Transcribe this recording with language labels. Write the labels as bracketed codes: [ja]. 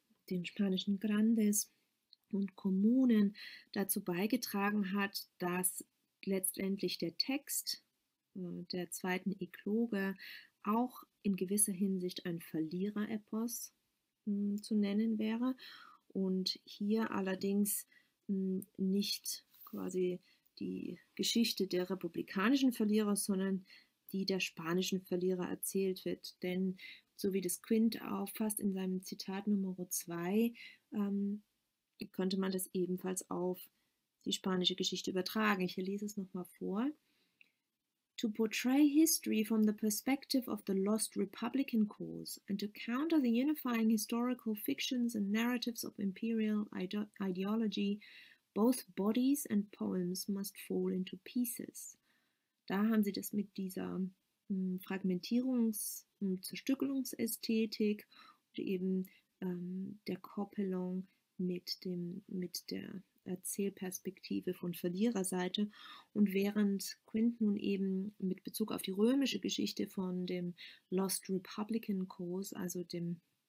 [de] den spanischen Grandes und Kommunen dazu beigetragen hat, dass letztendlich der Text der zweiten Ekloge auch in gewisser Hinsicht ein Verlierer-Epos zu nennen wäre und hier allerdings nicht quasi die Geschichte der republikanischen Verlierer, sondern die der spanischen Verlierer erzählt wird. Denn so wie das Quint auffasst in seinem Zitat Nummer 2, könnte man das ebenfalls auf die spanische Geschichte übertragen. Ich lese es nochmal vor. [en] To portray history from the perspective of the lost Republican cause and to counter the unifying historical fictions and narratives of imperial ideology Both bodies and poems must fall into pieces. [de] Da haben sie das mit dieser Fragmentierungs- und Zerstückelungsästhetik und eben der Koppelung mit der Erzählperspektive von Verliererseite. Und während Quint nun eben mit Bezug auf die römische Geschichte von dem Lost Republican Cause, also dem